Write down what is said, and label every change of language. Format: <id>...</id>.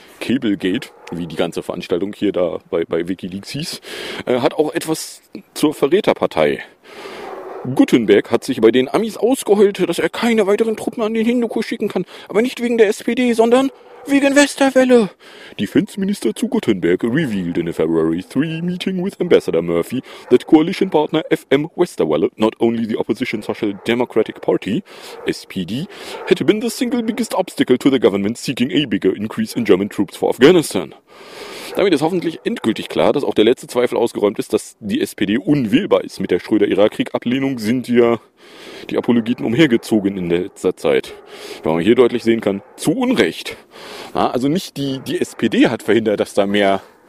<de>Cablegate, wie die ganze Veranstaltung hier da bei WikiLeaks hieß, hat auch etwas zur Verräterpartei. Gutenberg hat sich bei den Amis ausgeheult, dass er keine weiteren Truppen an den Hindukusch schicken kann. Aber nicht wegen der SPD, sondern wegen Westerwelle.</de> <en>Defense-Minister zu Gutenberg revealed in a February 3 meeting with Ambassador Murphy that coalition partner FM Westerwelle, not only the Opposition Social Democratic Party, SPD, had been the single biggest obstacle to the government seeking a bigger increase in German troops for Afghanistan.</en> <de>Damit ist hoffentlich endgültig klar, dass auch der letzte Zweifel ausgeräumt ist, dass die SPD unwählbar ist. Mit der Schröder-Irak-Krieg-Ablehnung sind ja die Apologeten umhergezogen in letzter Zeit. Wenn man hier deutlich sehen kann, zu Unrecht. Na, also nicht die SPD hat verhindert, dass da mehr</de>